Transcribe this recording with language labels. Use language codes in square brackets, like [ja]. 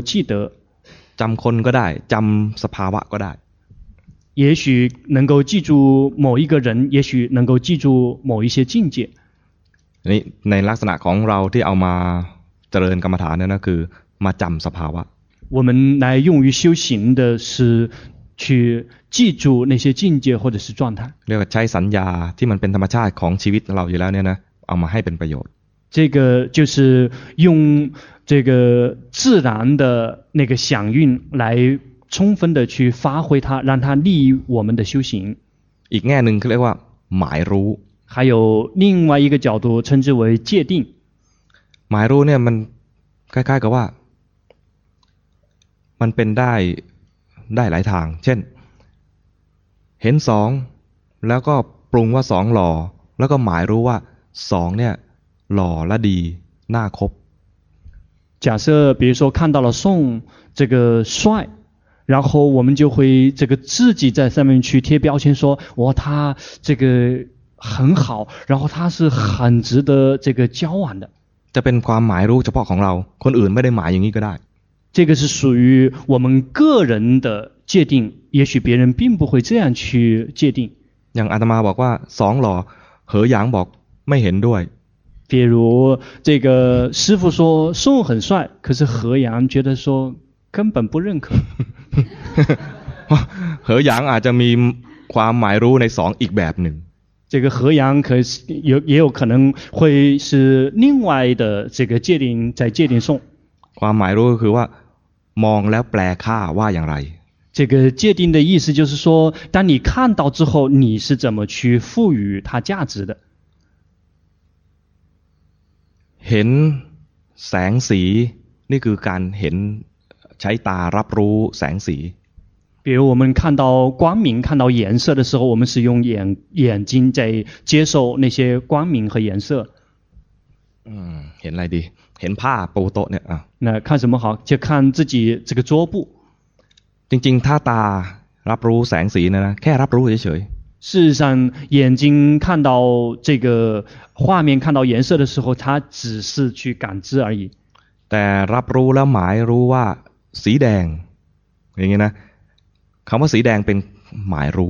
[zh] 记得这个称之为能够记得 [th] จำคนก็ได้จำสภาวะก็ได้ [zh] 也许能够记住某一个人也许能够记住某一些境界 [th] ในลักษณะของเราที่เอามาเจริญกรรมฐานนั่นคือมาจำสภาวะ [zh] 我们来用于修行的是去记住那些境界或者是状态 [th] เรียกว่าใช้สัญญาที่มันเป็นธรรมชาติของชีวิตเราอยู่แล้วเนี่ยนะเอามาให้เป็นประโยชน์ [zh] 这个就是用这个自然的那个响应来充分的去发挥它让它利益我们的修行 [th] อีกแง่หนึ่งเรียกว่าหมายรู้ [zh] 还有另外一个角度称之为界定 [th] หมายรู้เนี่ยมันคล้ายๆกับว่ามันเป็นได้หลายทางเช่นเห็นสองแล้วก็ปรุงว่าสองหล่อแล้วก็หมายรู้ว่าสองเนี่ยหล่อและดีน่าคบ [zh] 假设比如说看到了宋这个帅然后我们就会这个自己在上面去贴标签说哇他这个很好然后他是很值得这个交往的 [th] จะเป็นความหมายรู้เฉพาะของเราคนอื่นไม่ได้หมายอย่างนี้ก็ได้ [zh] 这个是属于我们个人的界定也许别人并不会这样去界定 [th] อย่างอาตมาบอกว่าสองหล่อ何阳บอกไม่เห็นด้วย [zh] 比如这个师父说宋很帅可是何阳觉得说根本不认可 [th] 何阳อาจจะมีความหมายรู้ในสองอีกแบบหนึ่ง [zh] 这个何阳可是也有可能会是另外的这个界定在界定宋 [th] ความหมายรู้ก็คือว่ามองแล้วแปลค่าว่าอย่างไร [zh] 这个界定的意思就是说当你看到之后你是怎么去赋予它价值的 [th] เห็นแสงสีนี่คือการเห็นใช้ตารับรู้แสงสี [zh] 比如我们看到光明看到颜色的时候我们是用 眼睛在接受那些光明和颜色 [th] เห็นอะไรดีเห็นผ้าปูโต๊ะเนี่ยอ่ะ [zh] 那看什么好就看自己这个桌布 [th] จริงๆถ้าตารับรู้แสงสีนะแค่รับรู้เฉยๆ [zh] 事实上眼睛看到这个画面看到颜色的时候它只是去感知而已 [th] แต่รับรู้แล้วหมายรู้ว่าสีแดงอย่างงี้นะคำว่าสีแดงเป็นหมายรู